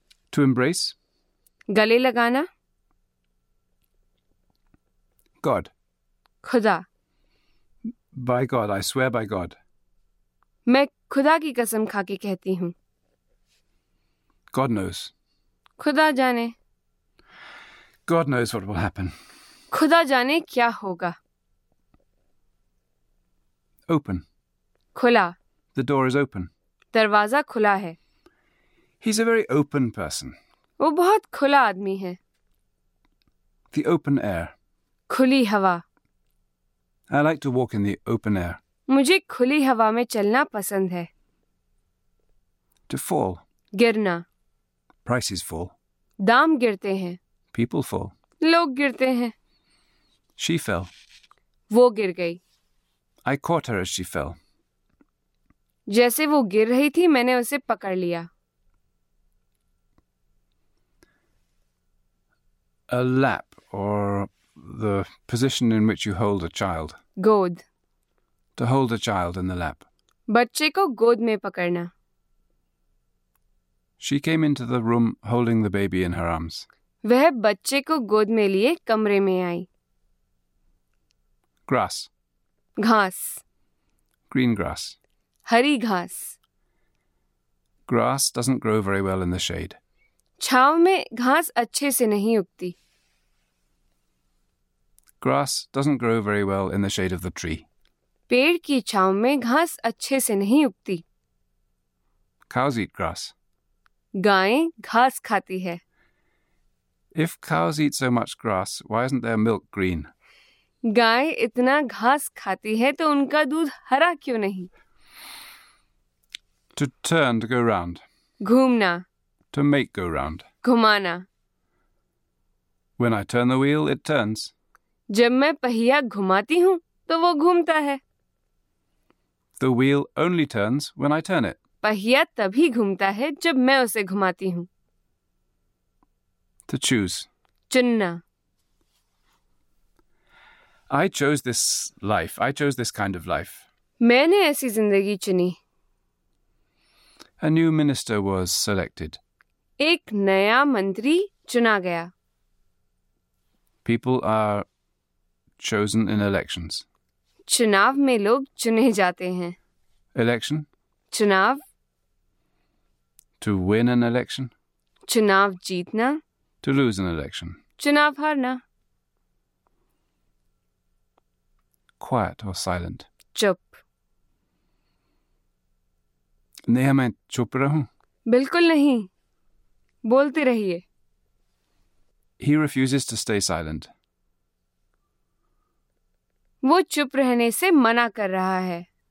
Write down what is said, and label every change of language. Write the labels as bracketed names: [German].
[English] To embrace. [Hindi] गले लगाना. [English] God. [Hindi] खुदा. [English] By God, I swear by God. [Hindi] मैं खुदा की कसम खा के कहती हूँ. [English] God knows. [Hindi] खुदा जाने. [English] God knows what will happen. [Hindi] खुदा जाने क्या होगा. [English] Open. [Hindi] खुला. [English] The door is open. [Hindi] दरवाजा खुला है. [English] He's a very open person. [Hindi] वो बहुत खुला आदमी है. [English] The open air. [Hindi] खुली हवा. [English] I like to walk in the open air. [Hindi] मुझे खुली हवा में चलना पसंद है. [English] To fall. [Hindi] गिरना. [English] Prices fall. [Hindi] दाम गिरते हैं. [English] People fall. [Hindi] लोग गिरते हैं. [English] She fell. [Hindi] वो गिर गई. [English] I caught her as she fell. [Hindi] जैसे वो गिर रही थी मैंने उसे पकड़ लिया. [English] A lap or the position in which you hold a child. [Hindi] गोद. [English] To hold a child in the lap. [Hindi] बच्चे को गोद में पकड़ना. [English] She came into the room holding the baby in her arms. [Hindi] वह बच्चे को गोद में लिए कमरे में आई. [English] Grass. [Hindi] घास. [English] Green grass. [Hindi] हरी घास. [English] Grass doesn't grow very well in the shade. [Hindi] छाव में घास अच्छे से नहीं उगती. [English] Grass doesn't grow very well in the shade of the tree. [Hindi] पेड़ की छाव में घास अच्छे से नहीं उगती. [English] Cows eat grass. [Hindi] गायें घास खाती है. [English] If cows eat so much grass, why isn't their milk green? [Hindi] गाय इतना घास खाती है तो उनका दूध हरा क्यों नहीं? [English] To turn, to go round. [Hindi] घूमना. [English] To make go round. [Hindi] घुमाना. [English] When I turn the wheel, it turns. [Hindi] जब मैं पहिया घुमाती हूँ तो वो घूमता है. [English] The wheel only turns when I turn it. [Hindi] पहिया तभी घूमता है जब मैं उसे घुमाती हूँ. [English] To choose. [Hindi] चुनना. [English] I chose this life. I chose this kind of life. [Hindi] मैंने ऐसी जिंदगी चुनी. [English] A new minister was selected. [Hindi] एक नया मंत्री चुना गया. [English] People are chosen in elections. [Hindi] चुनाव में लोग चुने जाते हैं. [English] Election? [Hindi] चुनाव. [English] To win an election? [Hindi] चुनाव जीतना. [English] To lose an election? [Hindi] चुनाव हारना. [English] Quiet or silent? [Hindi] चुप. नहीं, मैं चुप रहूं? बिल्कुल नहीं, बोलते रहिए. [English] He refuses to stay silent. [Hindi] वो चुप रहने से मना कर रहा है.